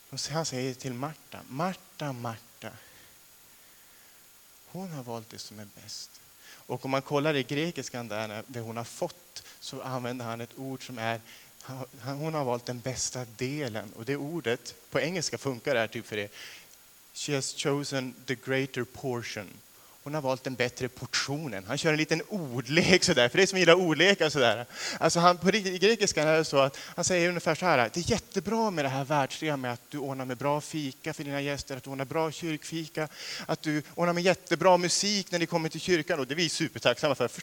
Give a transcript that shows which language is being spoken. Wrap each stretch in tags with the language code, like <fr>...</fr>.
<sv>Han säger till Marta, Marta, Marta. Hon har valt det som är bäst. Och om man kollar i grekiskan där, det hon har fått, så använder han ett ord som är, hon har valt den bästa delen. Och det ordet, på engelska funkar det här typ för det.</sv> <en>She has chosen the greater portion.</en> <sv>Hon har valt den bättre portionen. Han kör en liten ordlek så där, för det är som gillar ordlekar så där. Alltså han, på riktigt, i grekiska är det så att han säger ungefär så här: det är jättebra med det här världsliga, med att du ordnar med bra fika för dina gäster, att du ordnar bra kyrkfika, att du ordnar med jättebra musik när ni kommer till kyrkan, och det är vi supertacksamma för.</sv>